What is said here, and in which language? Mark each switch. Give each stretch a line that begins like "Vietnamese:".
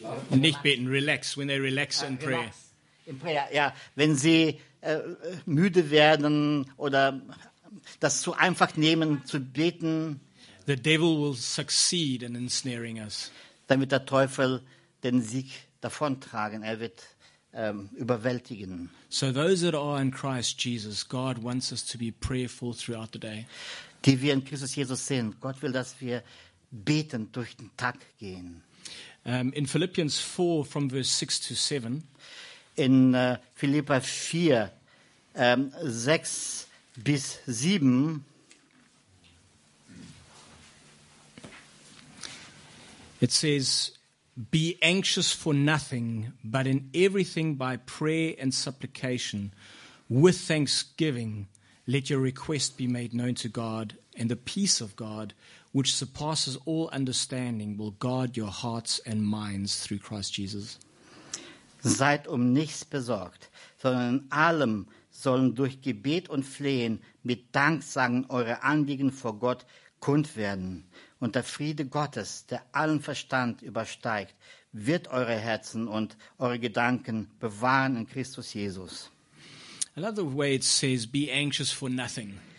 German: Nicht beten,
English: relax, when they relax and pray. In prayer, ja.
German: Wenn sie müde werden oder das zu einfach nehmen, zu beten.
English: The devil will succeed in ensnaring us.
German: Dann wird der Teufel den Sieg davontragen. Er wird überwältigen.
English: So those that are in Christ Jesus, God wants us to be prayerful throughout the day.
German: Die wir in Christus Jesus sind, Gott will, dass wir beten durch den Tag gehen.
English: In Philippians 4, from verse 6 to 7.
German: In Philipper 4, 6 bis 7.
English: It says, be anxious for nothing, but in everything by prayer and supplication, with thanksgiving, let your request be made known to God, and the peace of God, which surpasses all understanding, will guard your hearts and minds through Christ Jesus.
German: Seid um nichts besorgt, sondern in allem sollen durch Gebet und Flehen mit Danksagen eure Anliegen vor Gott kund werden. Und der Friede Gottes, der allen Verstand übersteigt, wird eure Herzen und eure Gedanken bewahren in Christus Jesus.
English: I love the way it says, be anxious for nothing.